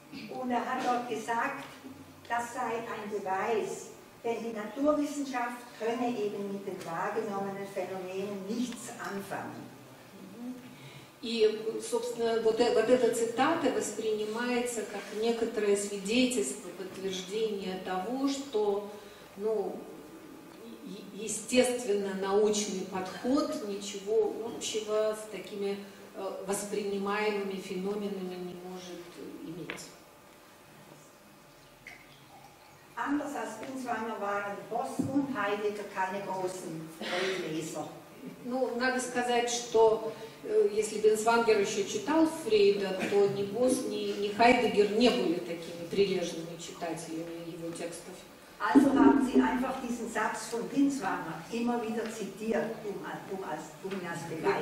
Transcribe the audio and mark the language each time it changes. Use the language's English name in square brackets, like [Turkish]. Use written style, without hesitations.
[German] Und hat dort gesagt, das sei ein Beweis, denn die Naturwissenschaft könne eben mit den wahrgenommenen Phänomenen nichts anfangen. [Russian] И, собственно, вот эта цитата воспринимается как некоторое свидетельство, подтверждение того, что, ну, естественно, научный подход ничего общего с такими воспринимаемыми феноменами не может иметь. [German] Anders als Bünzwanger waren Boss und Heidegger keine großen Freud-Leser. [Russian] Ну, надо сказать, что если Бинцвангер еще читал Фрейда, то ни Босс, ни Хайдеггер не были такими прилежными читателями его текстов. [German] Also haben sie einfach diesen Satz von Bünzwanger immer wieder zitiert, um ihn als Beweis.